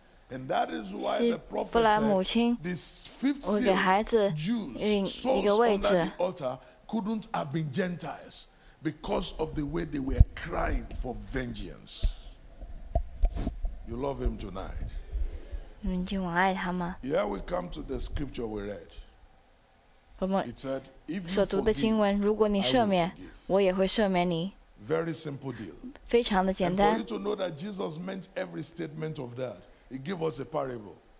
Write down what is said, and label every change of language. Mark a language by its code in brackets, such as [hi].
[en] And that is why the prophet said, the fifth seal Jews under the altar couldn't have been Gentiles because of the way they were crying for vengeance. You love him tonight. Here we come to the scripture we read. [zh] 我们所读的经文，如果你赦免，我也会赦免你。 [en] Very simple deal. [zh] 非常的简单。 [en] And for you to know that Jesus meant every statement of that, he gave us a parable.